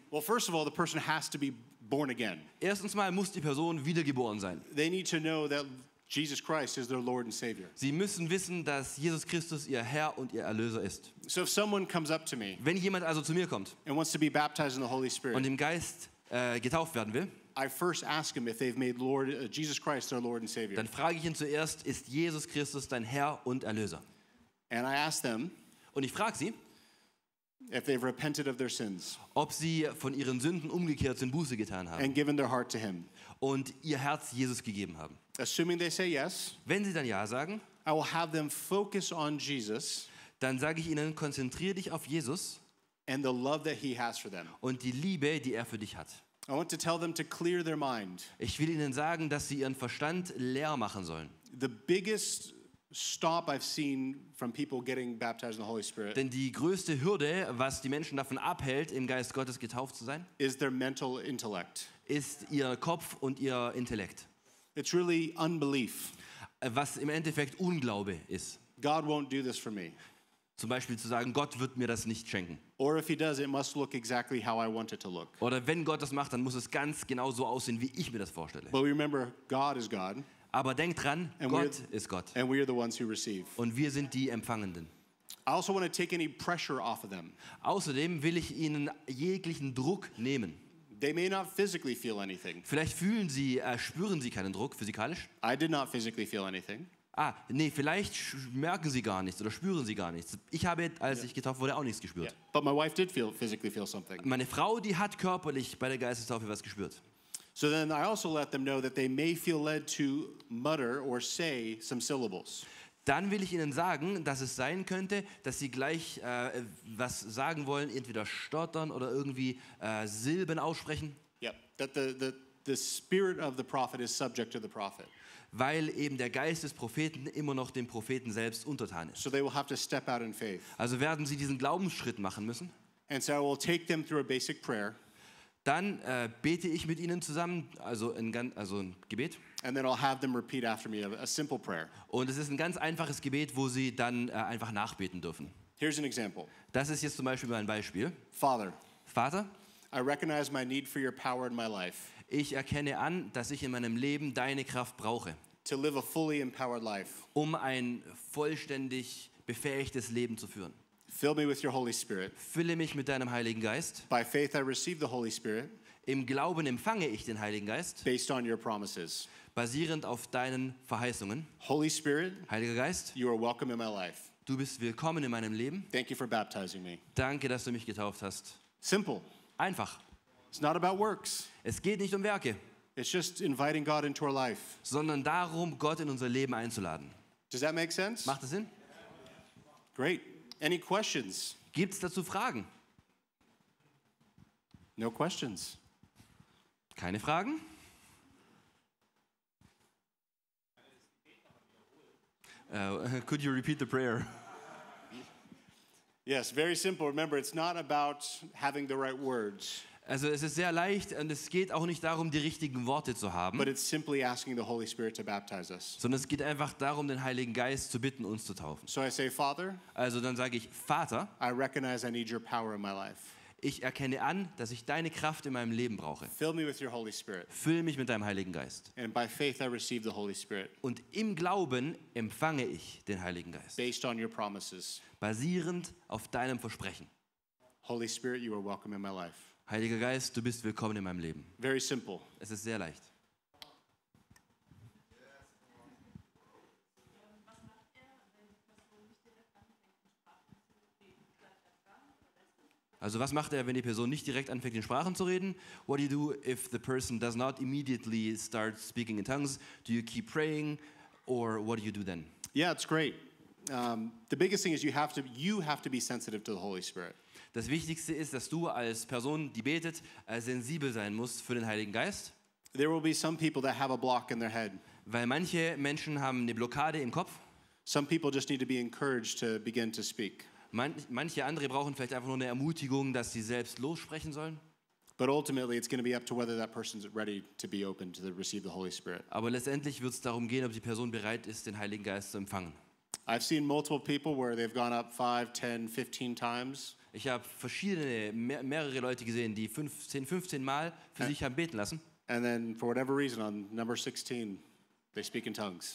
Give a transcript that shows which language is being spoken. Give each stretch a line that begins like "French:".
English: Well, first of all, the person has to be born again.
German: Erstens mal muss die Person wiedergeboren sein.
English: They need to know that Jesus Christ is their Lord and Savior.
German: Sie müssen wissen, dass Jesus Christus ihr Herr und ihr Erlöser ist.
English: So if someone comes up to me,
German: wenn jemand also zu mir kommt,
English: and wants to be baptized in the Holy Spirit,
German: und im Geist getauft werden will,
English: I first ask him if they've made Lord Jesus Christ their Lord and Savior.
German: Dann frage ich ihn zuerst, ist Jesus Christus dein Herr und Erlöser?
English: And I ask them,
German: und ich frage sie,
English: if they've repented of their sins,
German: ob sie von ihren Sünden umgekehrt sind, Buße getan haben,
English: and given their heart to him,
German: und ihr Herz Jesus gegeben haben.
English: Assuming they say yes,
German: wenn sie dann ja sagen,
English: I will have them focus on Jesus,
German: dann sage ich ihnen, konzentriere dich auf Jesus.
English: And the love that he has for them.
German: Und die Liebe, die für dich hat.
English: I want to tell them to clear their mind.
German: Ich will ihnen sagen, dass sie ihren Verstand leer machen sollen.
English: The biggest stop I've seen from people getting baptized in the Holy Spirit.
German: Denn die größte Hürde, was die Menschen davon abhält, im Geist Gottes getauft zu sein,
English: is their mental intellect.
German: Ist ihr Kopf und ihr Intellekt.
English: It's really unbelief.
German: Was im Endeffekt Unglaube ist.
English: God won't do this for me.
German: Zum Beispiel zu sagen, Gott wird mir das nicht schenken.
English: Or if he does, it must look exactly how I want it to look.
German: Oder wenn Gott das macht, dann muss es ganz genau so aussehen, wie ich mir das vorstelle.
English: But we remember, God is God.
German: Aber denkt dran, Gott ist Gott.
English: And we are the ones who receive.
German: Und wir sind die Empfangenden.
English: I also want to take any pressure off of them.
German: Außerdem will ich ihnen jeglichen Druck nehmen.
English: They may not physically feel anything.
German: Vielleicht fühlen sie, spüren sie keinen Druck physikalisch.
English: I did not physically feel anything.
German: Ah, nee, vielleicht merken sie gar nichts oder spüren sie gar nichts. Ich habe, als ich getauft wurde, auch nichts gespürt.
English: Yeah. But my wife did feel, physically feel something.
German: Meine Frau, die hat körperlich bei der Geistestaufe was gespürt.
English: So then I also let them know that they may feel led to mutter or say some syllables.
German: Dann will ich ihnen sagen, dass es sein könnte, dass sie gleich was sagen wollen, entweder stottern oder irgendwie Silben aussprechen.
English: Yeah, that the spirit of the prophet is subject to the prophet.
German: Weil eben der Geist des Propheten immer noch dem Propheten selbst untertan ist.
English: So they will have to step out in faith.
German: Also werden sie diesen Glaubensschritt machen müssen.
English: And so I will take them through a basic prayer.
German: Dann bete ich mit ihnen zusammen, also ein Gebet.
English: And then I'll have them repeat after me a simple prayer.
German: Und es ist ein ganz einfaches Gebet, wo sie dann einfach nachbeten dürfen.
English: Here's an example.
German: Das ist jetzt zum Beispiel mein Beispiel.
English: Father.
German: Vater.
English: I recognize my need for your power in my life.
German: Ich erkenne an, dass ich in meinem Leben deine Kraft brauche.
English: To live a fully empowered life.
German: Um ein vollständig befähigtes Leben zu führen.
English: Fill me with your Holy Spirit.
German: Fülle mich mit deinem Heiligen Geist.
English: By faith I receive the Holy Spirit.
German: Im Glauben empfange ich den Heiligen Geist.
English: Based on your promises.
German: Basierend auf deinen Verheißungen.
English: Holy Spirit.
German: Heiliger Geist.
English: You are welcome in my life.
German: Du bist willkommen in meinem Leben.
English: Thank you for baptizing me.
German: Danke, dass du mich getauft hast.
English: Simple.
German: Einfach.
English: It's not about works.
German: Es geht nicht um Werke.
English: It's just inviting God into our life.
German: Sondern darum, Gott in unser Leben einzuladen.
English: Does that make sense?
German: Macht das Sinn?
English: Great. Any questions?
German: Gibt's dazu Fragen?
English: No questions.
German: Keine Fragen?
English: Could you repeat the prayer? Yes, very simple. Remember, it's not about having the right words.
German: Also es ist sehr leicht und es geht auch nicht darum, die richtigen Worte zu haben.
English: But it's simply asking the Holy Spirit to baptize us.
German: Sondern es geht einfach darum, den Heiligen Geist zu bitten, uns zu taufen.
English: So I say, Father,
German: also dann sage ich, Vater,
English: I recognize I need your power in my life.
German: Ich erkenne an, dass ich deine Kraft in meinem Leben brauche.
English: Fill me with your Holy Spirit.
German: Fülle mich mit deinem Heiligen Geist.
English: And by faith I receive the Holy Spirit.
German: Und im Glauben empfange ich den Heiligen Geist.
English: Based on your promises.
German: Basierend auf deinem Versprechen.
English: Holy Spirit, you are welcome in my life.
German: Heiliger Geist, du bist willkommen in meinem Leben.
English: Very simple.
German: Es ist sehr leicht. Also was macht er, wenn die Person nicht direkt anfängt, in Sprachen zu reden?
English: What do you do if the person does not immediately start speaking in tongues? Do you keep praying? Or what do you do then? Yeah, it's great. The biggest thing is you have to be sensitive to the Holy Spirit.
German: Das Wichtigste ist, dass du als Person, die betet, sensibel sein musst für den Heiligen Geist.
English: There will be some people that have a block in their head.
German: Weil manche Menschen haben eine Blockade im Kopf.
English: Some people just need to be encouraged to begin to speak.
German: Manche andere brauchen vielleicht einfach nur eine Ermutigung, dass sie selbst lossprechen sollen.
English: But ultimately it's going to be up to whether that person's ready to be open to receive the Holy Spirit.
German: Aber letztendlich wird es darum gehen, ob die Person bereit ist, den Heiligen Geist zu empfangen.
English: I've seen multiple people where they've gone up 5, 10, 15 times.
German: Ich habe verschiedene, mehrere Leute gesehen, die 15 Mal für sich haben beten lassen.
English: And then for whatever reason on number 16 they speak in tongues.